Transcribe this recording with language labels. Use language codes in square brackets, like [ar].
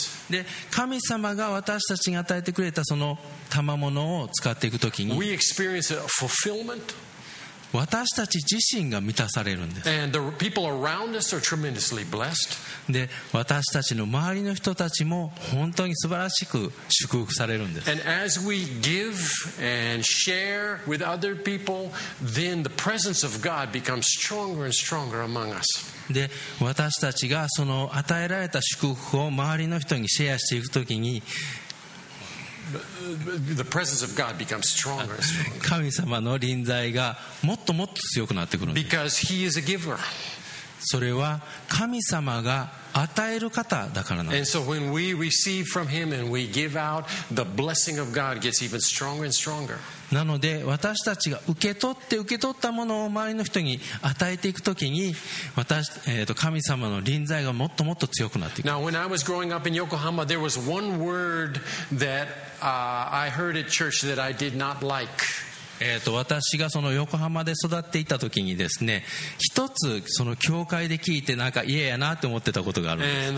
[ja] で、神様が私たちに与えてくれたその賜物を使っていくときに、 [en] we experience a fulfillment. [ja] 私たち自身が満たされるんです。 [en] And the people around us are tremendously blessed. [ja] で、私たちの周りの人たちも本当に素晴らしく祝福されるんです。 [en] And as we give and share with other people, then the presence of God becomes stronger and stronger among us. [ja] で、私たちがその与えられた祝福を周りの人にシェアしていくときに、 [en] The presence of God becomes stronger and stronger. [ja] 神様の臨在がもっともっと強くなってくるんです。 [en] Because he is a giver. [ja] それは神様が与える方だからなんです。 [en] And so when we receive from him and we give out, the blessing of God gets even stronger and stronger. [ja] なので私たちが受け取ったものを周りの人に与えていくときに、神様の臨在がもっともっと強くなっていく。 [en] Now when I was growing up in Yokohama, there was one word thatI heard at church that I did not like. [ja] 私がその横浜で育っていた時にですね、一つその教会で聞いてなんか嫌やなって思ってたことがあるんです。